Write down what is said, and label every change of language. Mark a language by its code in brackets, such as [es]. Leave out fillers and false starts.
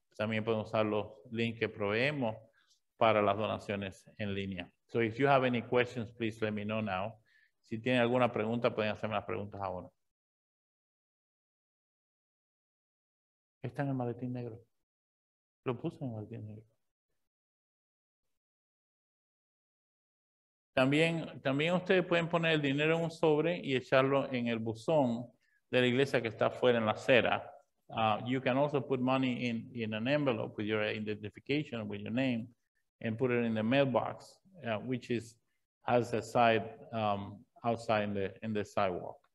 [es] También pueden usar los links que proveemos para las donaciones en línea. [en] So if you have any questions, please let me know now. [es] Si tienen alguna pregunta, pueden hacerme las preguntas ahora. Está en el maletín negro. Lo puse en el maletín negro. También ustedes pueden poner el dinero en un sobre y echarlo en el buzón de la iglesia que está afuera en la acera. [en] You can also put money in an envelope with your identification, with your name, and put it in the mailbox, which has a side outside in the sidewalk.